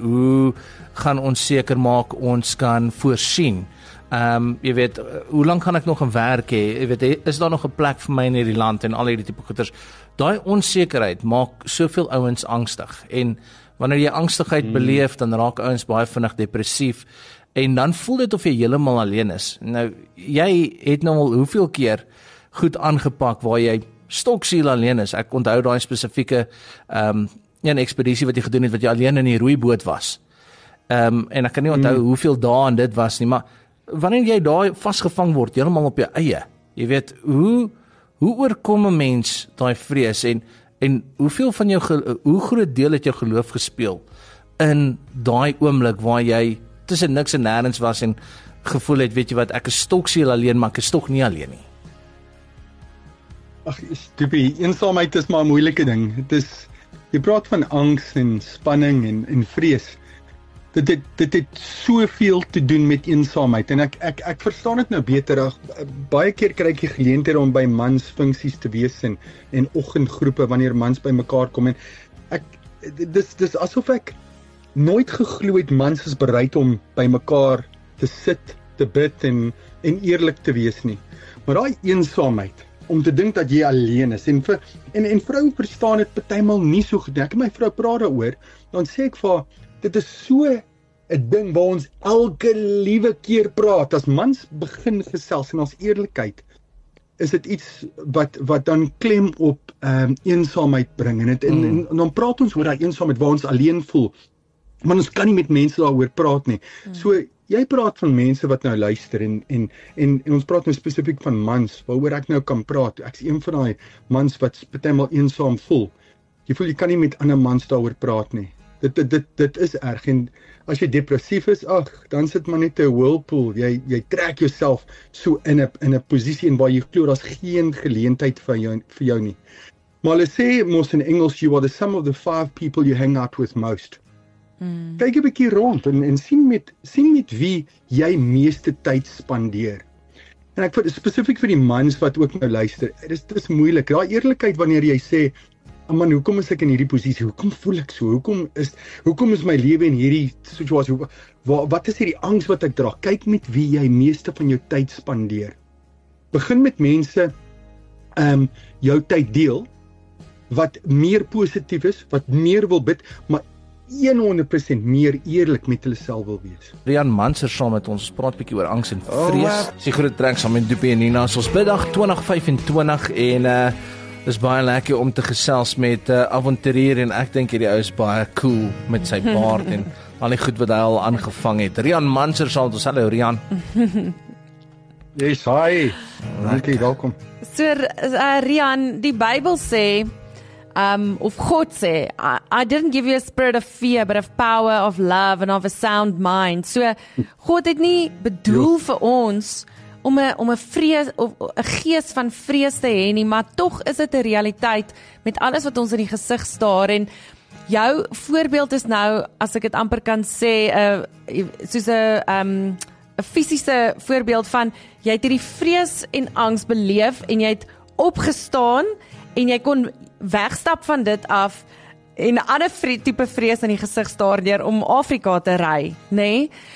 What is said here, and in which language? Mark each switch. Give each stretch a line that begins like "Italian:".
Afrikaans: Hoe gaan ons seker maak ons kan voorsien? Jy weet, hoe lang kan ek nog in werk hê? Jy weet, is daar nog 'n plek vir my in hierdie land en al hierdie tipe goeders? Daai onsekerheid maak soveel ouens angstig. En wanneer jy angstigheid beleef, dan raak ouens baie vinnig depressief. En dan voel dit of jy heeltemal alleen is. Nou, jy het nou al hoeveel keer goed aangepak waar jy stoksiel alleen is. Ek onthou daai spesifieke een ekspedisie wat jy gedoen het, wat jy alleen in die roeiboot was. En ek kan nie onthou hoeveel dae aan dit was nie, maar wanneer jy daar vasgevang word, heeltemal op jou eie, jy weet, hoe oorkom 'n mens daai vrees en hoeveel van jou, hoe groot deel het jou geloof gespeel in daai oomblik waar jy tussen niks en nêrens was en gevoel het, weet jy wat, ek is stoksiel alleen, maar ek is tog nie alleen nie. Ag, stupie, eensaamheid is maar 'n moeilike ding. Dit is, jy praat van angs en spanning en vrees. Dit het soveel te doen met eensaamheid en ek verstaan dit nou beter. Baie keer kry ek die geleentheid om by mans funksies te wees en oggendgroepe wanneer mans by mekaar kom en ek dis asof ek nooit geglo het mans is bereid om by mekaar te sit, te bid en eerlik te wees nie. Maar daai eensaamheid om te dink dat jy alleen is en vroue verstaan dit partymal nie so goed. Ek en my vrou praat daaroor, dan sê ek vir haar, dit is so 'n ding waar ons elke liewe keer praat as mans begin gesels en ons eerlikheid is dit iets wat dan klem op eensaamheid bring en dit en dan praat ons oor daai eensaamheid waar ons alleen voel. Maar ons kan nie met mense daaroor praat nie. So jy praat van mense wat nou luister en ons praat nou spesifiek van mans, waaroor ek nou kan praat. Ek is een van daai mans wat partymal eensaam voel. Jy voel jy kan nie met ander mans daaroor praat nie. Dit is erg en as jy depressief is, ag, dan sit man net 'n whirlpool. Jy trek jouself so in 'n posisie en waar jy glo daar's geen geleentheid vir jou nie. Maar hulle sê mos in Engels
English: you are the sum of the 5 people you hang out with most.
Afrikaans: Kyk 'n bietjie rond en sien met wie jy meeste tyd spandeer. En ek spesifiek vir die mans wat ook nou luister, dit is moeilik. Daai eerlikheid wanneer jy sê, "Man, hoekom is ek in hierdie posisie? Hoekom voel ek so? Hoekom is my lewe in hierdie situasie? Wat is hierdie angs wat ek dra?" Kyk met wie jy meeste van jou tyd spandeer. Begin met mense jou tyd deel wat meer positief is, wat meer wil bid, maar 100% meer eerlik met hulle self wil wees. Rian Manser saam met ons praat bietjie oor angs en vrees. Sy groot trek saam met Dupie en Nina. Ons biddag 2025 en is baie lekker om te gesels met avonturier en ek dink hierdie ou is baie cool met sy baard en al die goed wat hy al aangevang het. Rian Manser saam met ons. Hallo Rian. Yes, hi. Dankie, welkom. So Rian, die Bybel sê of God sê,
English: I didn't give you a spirit of fear, but of power, of love, and of a sound mind.
Afrikaans: So, God het nie bedoel vir ons om 'n vrees of 'n gees van vrees te hê nie, maar tog is dit 'n realiteit met alles wat ons in die gesig staar. En jou voorbeeld is nou, as ek dit amper kan sê, soos 'n fisiese voorbeeld van, jy het hierdie vrees en angs beleef, en jy het opgestaan, en jy kon wegstap van dit af en ander tipe vrees in die gesig staar deur om Afrika te ry, nê?